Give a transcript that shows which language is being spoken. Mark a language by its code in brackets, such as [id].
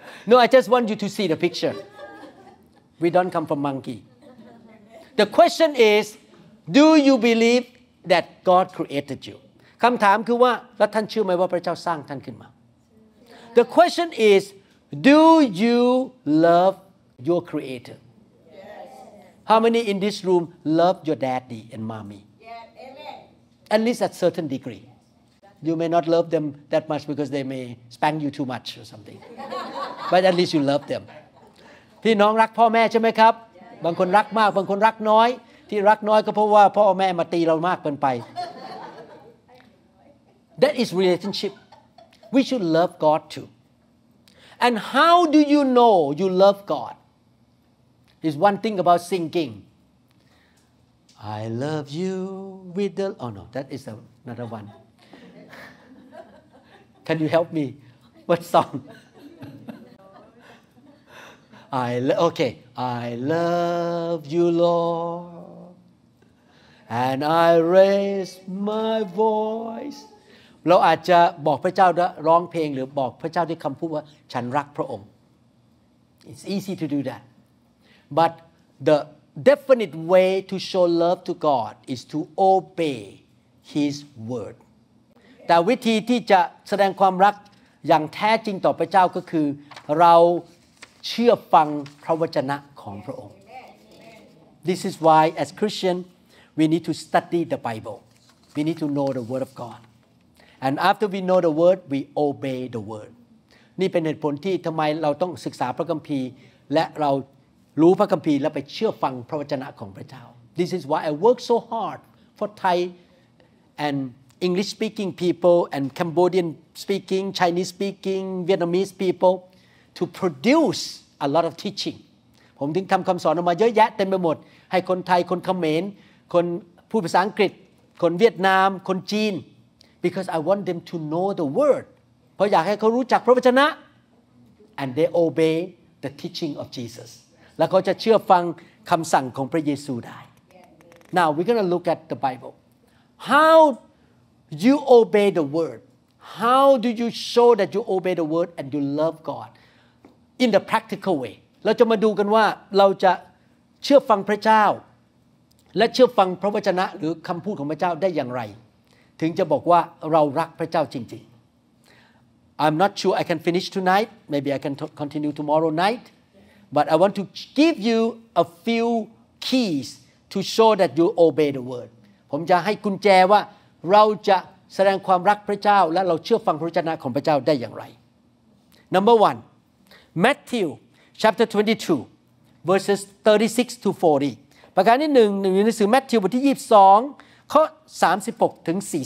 [en] No I just want you to see the picture We don't come from monkey The question is Do you believe that God created you [th] คำถามคือว่าแล้วท่านเชื่อไหมว่าพระเจ้าสร้างท่านขึ้นมา [en] The question is Do you love your creator Yes How many in this room love your daddy and mommy Yeah amen At least at certain degreeYou may not love them that much because they may spank you too much or something. But at least you love them. [th] พี่น้องรักพ่อแม่ใช่ไหมครับ บางคนรักมากบางคนรักน้อยที่รักน้อยก็เพราะว่าพ่อแม่มาตีเรามากเกินไป [en] That is relationship. We should love God too. And how do you know you love God? It's one thing about singing. I love you with the... Oh no, that is another one. Can you help me? What song? I love you, Lord. And I raise my voice. [th] เราอาจจะบอกพระเจ้าร้องเพลงหรือบอกพระเจ้าด้วยคำพูดว่าฉันรักพระองค์ [en] It's easy to do that. But the definite way to show love to God is to obey His word. [th] แต่วิธีที่จะแสดงความรักอย่างแท้จริงต่อพระเจ้าก็คือเราเชื่อฟังพระวจนะของพระองค์ [en] This is why as Christian we need to study the Bible we need to know the word of God and after we know the word we obey the word [th] นี่เป็นเหตุผลที่ทำไมเราต้องศึกษาพระคัมภีร์และเรารู้พระคัมภีร์แล้วไปเชื่อฟังพระวจนะของพระเจ้า [en] This is why I work so hard for Thai andEnglish speaking people and Cambodian speaking, Chinese speaking, Vietnamese people to produce a lot of teaching. [th] ผมถึงทำคำสอนออกมาเยอะแยะเต็มไปหมดให้คนไทยคนเขมรคนพูดภาษาอังกฤษคนเวียดนามคนจีน [en] because I want them to know the word. [th] เพราะอยากให้เขารู้จักพระวจนะ [en] and they obey the teaching of Jesus. [th] แล้วเขาจะเชื่อฟังคำสั่งของพระเยซูได้ [en] Now we're going to look at the Bible. How You obey the word. How do you show that you obey the word and you love God in the practical way? [th] เราจะมาดูกันว่าเราจะเชื่อฟังพระเจ้าและเชื่อฟังพระวจนะหรือคำพูดของพระเจ้าได้อย่างไรถึงจะบอกว่าเรารักพระเจ้าจริงๆ [en] I'm not sure I can finish tonight. Maybe I can continue tomorrow night. But I want to give you a few keys to show that you obey the word. [th] ผมจะให้กุญแจว่าเราจะแสดงความรักพระเจ้าและเราเชื่อฟังพระวจนะของพระเจ้าได้อย่างไร [en] Number 1 Matthew chapter 22 verses 36 to 40 [th] ประการที่1ในหนังสือมัทธิวบทที่22ข้อ36ถึง